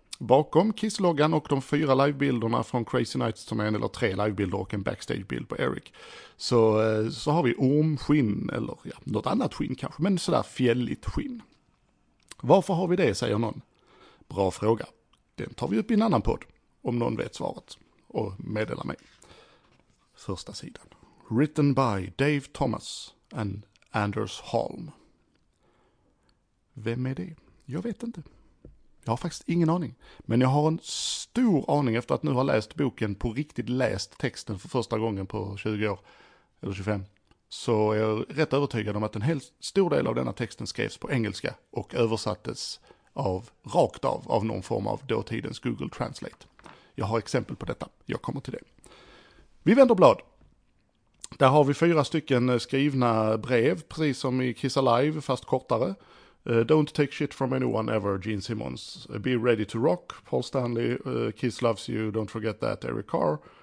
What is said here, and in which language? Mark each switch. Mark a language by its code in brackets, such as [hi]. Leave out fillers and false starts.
[sv] Bakom Kiss-loggan och de 4 livebilderna från Crazy Nights som är en eller 3 livebilder och en backstagebild på Eric. Så har vi ormskin eller ja, något annat skin kanske, men sådär fjälligt skin. Varför har vi det, säger någon? Bra fråga. Den tar vi upp i en annan podd om någon vet svaret och meddelar mig. Första sidan. [en] Written by Dave Thomas and Anders Holm. [sv] Vem är det? Jag vet inte. Jag har faktiskt ingen aning. Men jag har en stor aning efter att nu har läst boken på riktigt läst texten för första gången på 20 år. Eller 25. Så jag är rätt övertygad om att en helt stor del av denna texten skrevs på engelska. Och översattes rakt av någon form av dåtidens Google Translate. Jag har exempel på detta. Jag kommer till det. Vi vänder blad. Där har vi 4 stycken skrivna brev, precis som i Kiss Alive, fast kortare. [en] Don't take shit from anyone ever, Gene Simmons. Be ready to rock, Paul Stanley. Kiss loves you, don't forget that, Eric Carr.